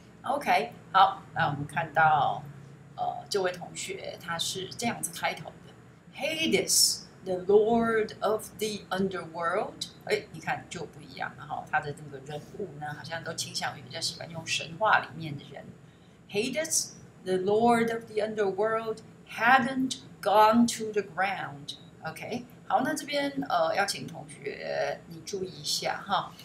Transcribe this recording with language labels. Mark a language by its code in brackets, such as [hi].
[zh] OK， 好，那我们看到，这位同学他是这样子开头。 [en] Hades, the Lord of the Underworld. [zh] 哎，你看就不一样了哈。他的那个人物呢，好像都倾向于比较喜欢用神话里面的人。 [en] Hades, the Lord of the Underworld, hadn't gone to the ground. [zh] OK， 好，那这边要请同学你注意一下哈。